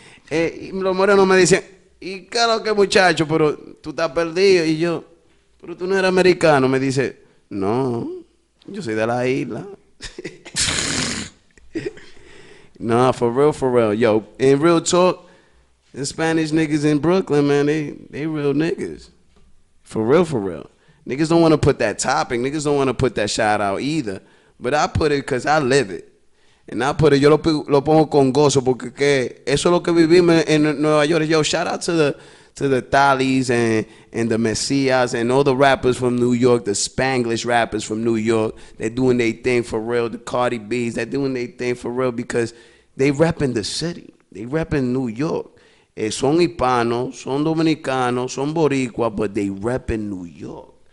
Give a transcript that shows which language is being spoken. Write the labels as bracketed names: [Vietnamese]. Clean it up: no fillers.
[Spanish] Los morenos me dicen, y claro que muchacho, pero tú estás perdido. Y yo, pero tú no eres americano. Me dice, no, yo soy de la isla. [English] No, for real. Yo, in real talk, the Spanish niggas in Brooklyn, man, they real niggas. For real. Niggas don't want to put that topic. Niggas don't want to put that shout out either. But I put it because I live it. [Spanish] Pero yo lo pongo con gozo porque que eso es lo que vivimos en Nueva York. [English] Yo, shout out to the Thalys and the Messias and all the rappers from New York, the Spanglish rappers from New York. They're doing their thing for real. The Cardi B's, they're doing their thing for real because they repping the city. They repping New York. [Spanish] Son hispanos, son dominicanos, son boricua, [English] but they repping New York.